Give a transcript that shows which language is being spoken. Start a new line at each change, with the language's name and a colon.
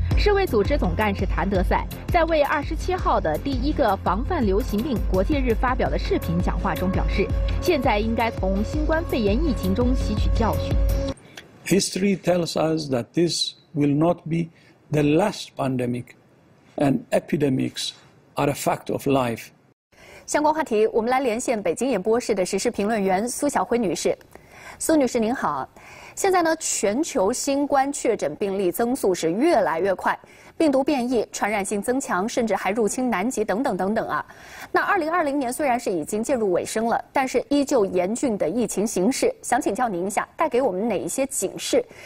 Chinese: 世卫组织总干事谭德赛在为27号的第一个防范流行病国际日发表的视频讲话中表示，现在应该从新冠肺炎疫情中吸取教训。
English: History tells us that this will not be the last pandemic, and epidemics are a fact of life.
Chinese: 相关话题，我们来连线北京演播室的时事评论员苏晓辉女士。苏女士您好，现在呢，全球新冠确诊病例增速是越来越快，病毒变异、传染性增强，甚至还入侵南极等等等等啊。那2020年虽然是已经进入尾声了，但是依旧严峻的疫情形势，想请教您一下，带给我们哪一些警示？